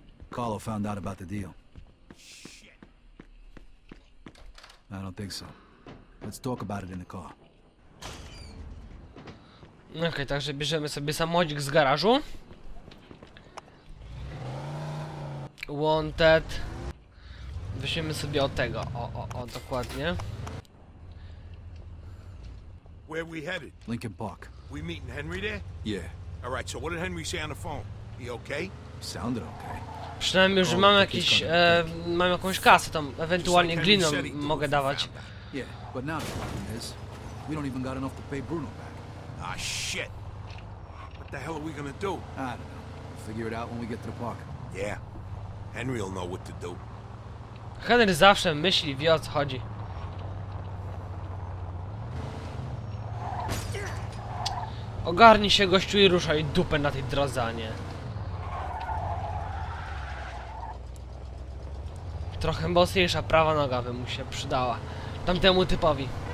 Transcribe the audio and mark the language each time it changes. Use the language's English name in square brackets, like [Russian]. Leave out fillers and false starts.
[English] Carlo found out about the deal. Shit. I don't think so. Let's talk about it in the car. [Polish] Okay, także bierzemy sobie samochodzik z garażu. Wanted. Weźmiemy sobie o tego, o dokładnie. [English] Where we headed? Lincoln Park. We meeting Henry there? Yeah. All right. So what did Henry say on the phone? He okay? Sounded okay. [Polish] Przynajmniej już mam jakiś, mam jakąś kasę, tam ewentualnie gliną mogę dawać. [English] Yeah, but now the problem is, we don't even got enough to pay Bruno back. Ah shit! What the hell are we gonna do? I don't know. We'll figure it out when we get to the park. Yeah, Henry'll know what to do. [Polish] Henry zawsze myśli, wie o co chodzi. Ogarnij się, gościu, i ruszaj dupę na tej drodze, a nie. Trochę mocniejsza prawa noga by mu się przydała. Tamtemu typowi.